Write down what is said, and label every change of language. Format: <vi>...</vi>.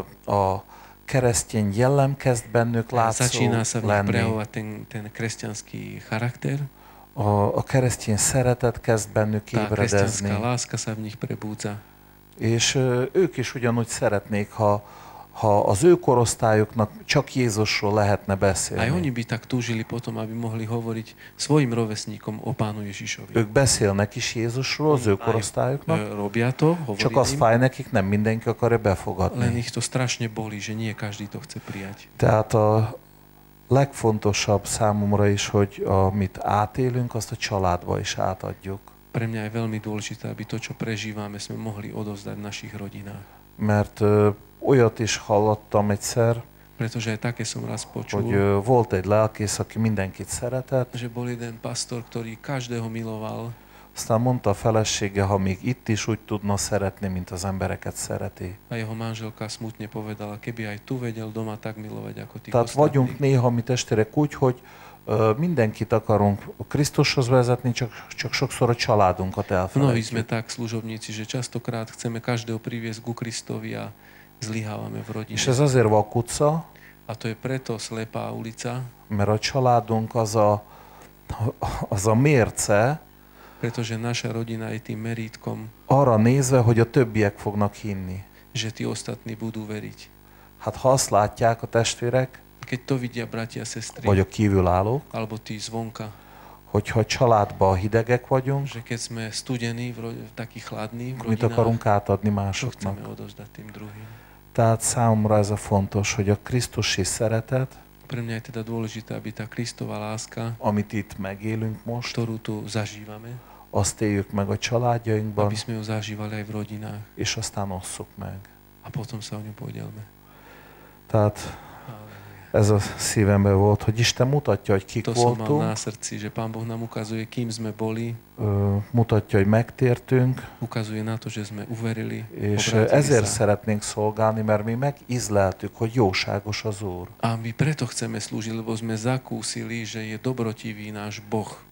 <hu>A keresztény jellem kezd bennük látszó lenni.</hu> <sk>Začína sa v nich prejavovať ten kresťanský charakter.</sk> <hu>A keresztény szeretet kezd bennük ébredezni.</hu> <sk>Tá kresťanská láska sa v nich prebúdza.</sk> <hu>És ők is ugyanúgy szeretnék, ha az ő korosztályoknak csak Jézusról lehetne beszélni.</hu> <sk>Aj oni by tak túžili potom, aby mohli hovoriť svojim rovesníkom o Pánu Ježišovi.</sk> <hu>Ők beszélnek is Jézusról az ő korosztályoknak.</hu> <sk>Robia to, hovorí</sk> <hu>csak az fáj nekik, nem mindenki akarja befogadni.</hu> <sk>Len ich to strašne bolí, že nie každý to chce prijať.</sk> <hu>Tehát a legfontosabb számomra is, hogy amit átélünk, azt a családba is átadjuk.</hu> <sk>Pre mňa je veľmi dôležité, aby to, čo prežívame, sme mohli odovzdať v našich rodinách.</sk> <hu>Mert olyat is hallottam egyszer,</hu> <sk>pretože také som raz počul,</sk> <hu>hogy volt egy lelkész, aki mindenkit szeretett,</hu> <sk>že bol jeden pastor, ktorý každého miloval,</sk> <hu>aztán mondta a felesége, ha még itt is úgy tudna szeretni, mint az embereket szereti.</hu> <sk>A jeho manželka smutne povedala, keby aj tu vedel doma tak milovať, ako ti.</sk> <hu>Tehát vagyunk néha mi testvérek úgy, hogy mindenkit akarunk Krisztushoz vezetni, csak sokszor a családunkat elfelejtjük.</hu> <sk>No, sme tak služobníci, že častokrát chceme každého priviesť ku Kristovi a zlyhávame v rodine.</sk> <hu>És ez azért vakuca.</hu> <sk>A to je preto slepá ulica.</sk> <hu>Mert a családunk az a mérce.</hu> <sk>Pretože naša rodina je tým merítkom.</sk> <hu>Arra nézve, hogy a többiek fognak hinni.</hu> <sk>Že tí ostatní budú veriť.</sk> <hu>Hát ha azt látják a testvérek.</hu> <sk>Keď to vidia bratia, sestri.</sk> <hu>Vagy a kívülállók.</hu> <sk>Alebo tí zvonka.</sk> <hu>Hogyha családba hidegek vagyunk,</hu> <sk>že keď sme studení, taký chladný v</sk> <hu>rodinách, mit akarunk átadni másoknak.</hu> <sk>Čo chceme odovzdať tým druhým.</sk> <hu>Tehát számomra ez a fontos, hogy a Krisztusi szeretet,</hu> <sk>pre mňa je teda dôležité, aby tá Kristova láska,</sk> <hu>amit itt megélünk most,</hu> <sk>ktorú tu zažívame,</sk> <hu>azt éljük meg a családjainkban,</hu> <sk>aby sme ju zažívali aj v rodinách,</sk> <hu>és aztán osszuk meg.</hu> <sk>A potom sa o ňu podielme.</sk> <hu>Tehát ez a szívemben volt, hogy Isten mutatja, hogy kik</hu> <sk>to</sk> <hu>voltunk.</hu> <sk>To som mal na srdci, že Pán Boh nám ukazuje, kým sme boli.</sk> <hu>Mutatja, hogy megtértünk.</hu> <sk>Ukazuje na to, že sme uverili.</sk> <hu>És ezért szeretnénk szolgálni, mert mi megizleltük, hogy jóságos az Úr.</hu> <sk>A my preto chceme slúžiť, lebo sme zakúsili, že je dobrotivý náš Boh.</sk>